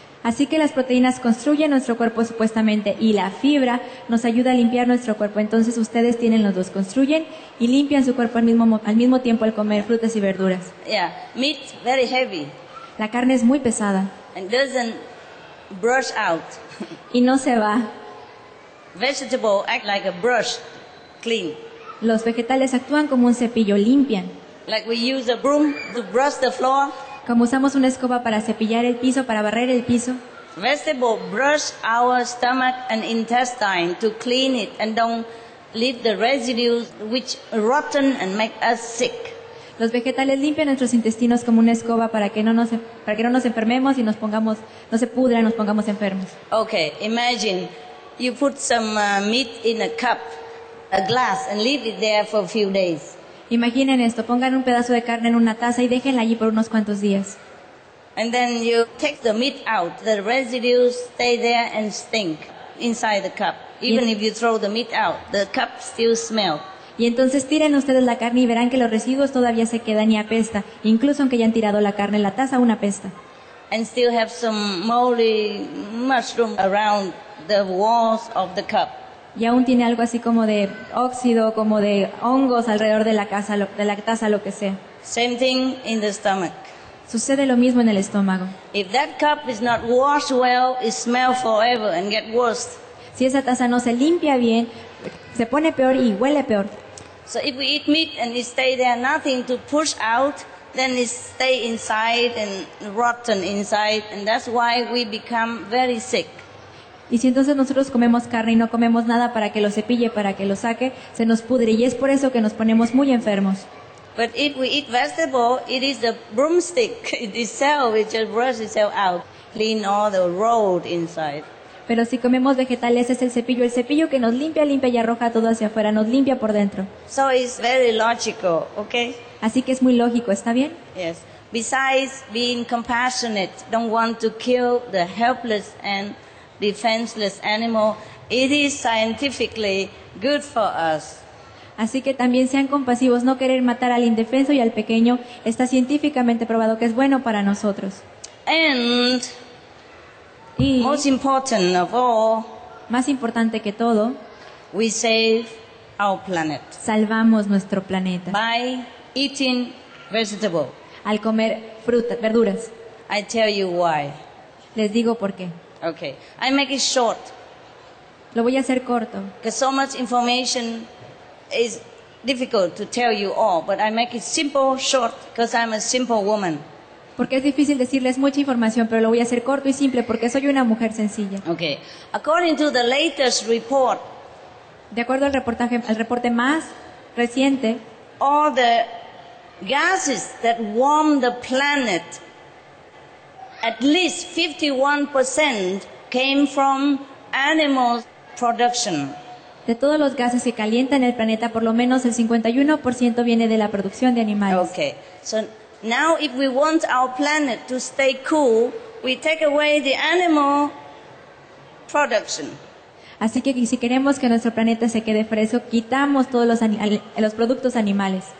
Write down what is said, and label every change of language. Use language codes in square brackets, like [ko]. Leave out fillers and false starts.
[es] Así que las proteínas construyen nuestro cuerpo supuestamente y la fibra nos ayuda a limpiar nuestro cuerpo. Entonces ustedes tienen los dos, construyen y limpian su cuerpo al mismo tiempo al comer frutas y verduras. [en] Yeah, meat very heavy. [es] La carne es muy pesada. [en] And doesn't brush out. [es] Y no se va. [en] Vegetable act like a brush, clean. [es] Los vegetales actúan como un cepillo, limpian. [en] Like we use a broom to brush the floor. [es] Como usamos una escoba para cepillar el piso, para barrer el piso. [en] Vegetable brush our stomach and intestine to clean it and don't leave the residues which rotten and make us sick. [es] Los vegetales limpian nuestros intestinos como una escoba para que no nos enfermemos y nos pongamos enfermos. [en] Okay, imagine you put some meat in a cup, a glass, and leave it there for a few days. [es] Imaginen esto, pongan un pedazo de carne en una taza y déjenla allí por unos cuantos días. [en] And then you take the meat out, the residues stay there and stink inside the cup. Even if you throw the meat out, the cup still smells. [es] Y entonces tiren ustedes la carne y verán que los residuos todavía se quedan y apesta. Incluso aunque hayan tirado la carne en la taza, aún apesta. [en] And still have some moldy mushroom around the walls of the cup. [es] Y aún tiene algo así como de óxido, como de hongos alrededor de la casa, de la taza, lo que sea. [en] Same thing in the stomach. [es] Sucede lo mismo en el estómago. [en] If that cup is not washed well, it smells forever and get worse. [es] Si esa taza no se limpia bien, se pone peor y huele peor. [en] So if we eat meat and it stay there, nothing to push out, then it stay inside and rotten inside, and that's why we become very sick. [es] Y si entonces nosotros comemos carne y no comemos nada para que lo cepille, para que lo saque, se nos pudre y es por eso que nos ponemos muy enfermos. [en] But if we eat vegetable, it is a broomstick. It itself, it just brushes itself out, clean all the road inside. [es] Pero si comemos vegetales, es el cepillo que nos limpia y arroja todo hacia afuera, nos limpia por dentro. [en] So it's very logical, okay? [es] Así que es muy lógico, ¿está bien? [en] Yes. Besides being compassionate, don't want to kill the helpless and defenseless animal, it is scientifically good for us. [es] Así que también sean compasivos, no querer matar al indefenso y al pequeño, está científicamente probado que es bueno para nosotros. [en] And [es] y [en] most important of all, [es] más importante que todo, [en] we save our planet. [es] Salvamos nuestro planeta. [en] By eating vegetable. [es] Al comer frutas, verduras. [en] I tell you why. [es] Les digo por qué. [en] Okay, I make it short. [es] Lo voy a hacer corto. [en] Because so much information is difficult to tell you all, but I make it simple, short, because I'm a simple woman. [es] Porque es difícil decirles mucha información, pero lo voy a hacer corto y simple porque soy una mujer sencilla. [en] Okay, according to the latest report, [es] de acuerdo al reporte más reciente, [en] all the gases that warm the planet, at least 51% came from animal production. [es] De todos los gases que calientan el planeta, por lo menos el 51% viene de la producción de animales. [en] Okay. So now if we want our planet to stay cool, we take away the animal production. [es] Así que si queremos que nuestro planeta se quede fresco, quitamos todos los productos animales.